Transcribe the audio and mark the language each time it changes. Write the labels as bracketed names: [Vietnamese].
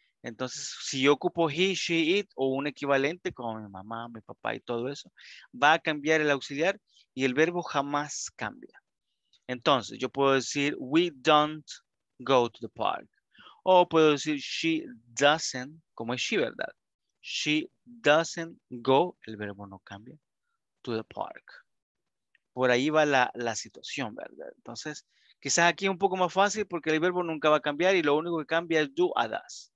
[Spanish] Entonces, si yo ocupo he, she, it o un equivalente como mi mamá, mi papá y todo eso, va a cambiar el auxiliar y el verbo jamás cambia. Entonces, yo puedo decir [English] we don't go to the park. [Spanish] O puedo decir [English] she doesn't, [Spanish] como es she, ¿verdad? [English] She doesn't go, [Spanish] el verbo no cambia, [English] to the park. [Spanish] Por ahí va la situación, ¿verdad? Entonces, quizás aquí es un poco más fácil porque el verbo nunca va a cambiar y lo único que cambia es do a does.